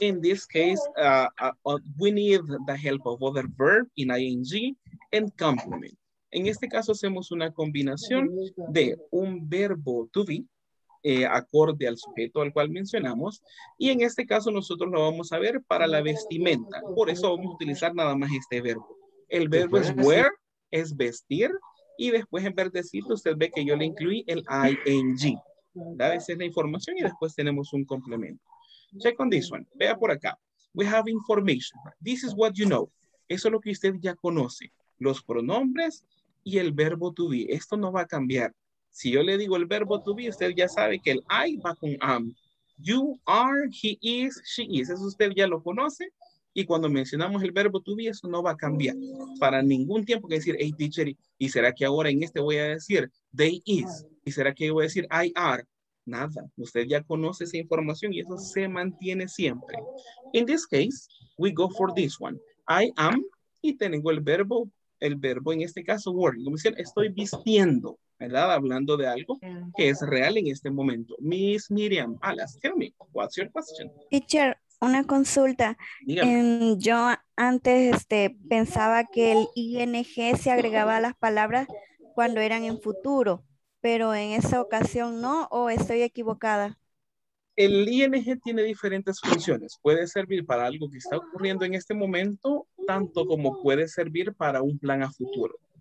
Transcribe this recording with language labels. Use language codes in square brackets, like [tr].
[en] In this case, we need the help of other verb in ing and complement. [es] En este caso, hacemos una combinación de un verbo to be acorde al sujeto al cual mencionamos. Y en este caso, nosotros lo vamos a ver para la vestimenta. Por eso vamos a utilizar nada más este verbo. El verbo es wear, es vestir. Y después, en verde, usted ve que yo le incluí el ing. Esa es la información y después tenemos un complemento. [en] Check on this one. [es] Vea por acá. [en] We have information. This is what you know. [es] Eso es lo que usted ya conoce. Los pronombres y el verbo to be. Esto no va a cambiar. Si yo le digo el verbo to be, usted ya sabe que el I va con am. [en] You are, he is, she is. [es] Eso usted ya lo conoce y cuando mencionamos el verbo to be, eso no va a cambiar para ningún tiempo. Que decir, hey teacher, ¿y será que ahora en este voy a decir they is? ¿Y será que voy a decir I are? Nada, usted ya conoce esa información y eso se mantiene siempre. [en] In this case, we go for this one. [es] I am, y tengo el verbo en este caso, wearing. Como decir, estoy vistiendo, ¿verdad? Hablando de algo que es real en este momento. [en] Miss Miriam, alas, tell me, what's your question? [es] Teacher, una consulta. Yo antes pensaba que el ing se agregaba a las palabras cuando eran en futuro, pero en esa ocasión no, ¿o estoy equivocada? El ing tiene diferentes funciones. Puede servir para algo que está ocurriendo en este momento, tanto como puede servir para un plan a futuro.